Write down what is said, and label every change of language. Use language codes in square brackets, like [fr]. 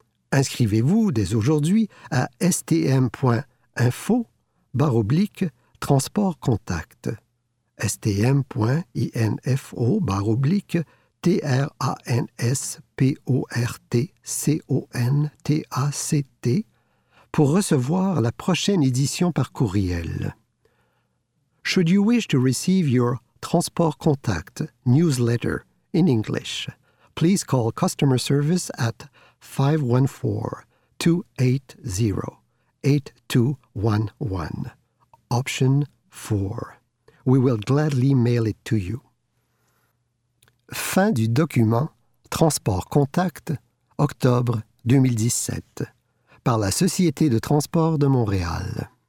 [fr] Inscrivez-vous dès aujourd'hui à stm.info/transport-contact. stm.info/transport-contact pour recevoir la prochaine édition par courriel. [en] Should you wish to receive your Transport Contact newsletter in English, please call customer service at 514-280-8211, option 4. We will gladly mail it to you. [fr] Fin du document Transport Contact, octobre 2017, par la Société de transport de Montréal.